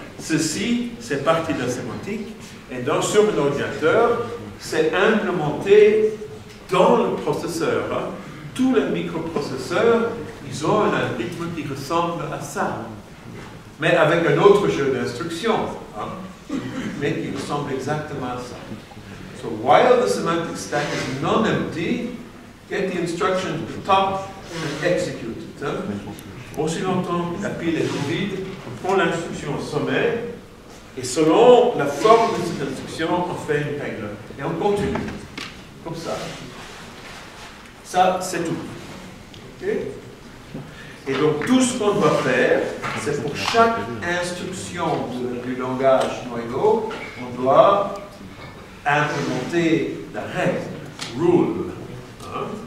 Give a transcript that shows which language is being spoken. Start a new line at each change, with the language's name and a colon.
French: Ceci, c'est partie de la sémantique. Et dans sur mon ordinateur, c'est implémenté dans le processeur. Hein? Tous les microprocesseurs, ils ont un algorithme qui ressemble à ça. Mais avec un autre jeu d'instructions. Hein? Mais qui ressemble exactement à ça.
English: So while the semantic stack is non-empty, get the instruction to the top and execute it. Hein?
French: Aussi longtemps que la pile est vide, on prend l'instruction au sommet. Et selon la forme de cette instruction, on fait une règle. Et on continue. Comme ça. Ça, c'est tout. Okay? Et donc, tout ce qu'on doit faire, c'est pour chaque instruction du langage noyau, on doit implémenter la règle, rule. Hein?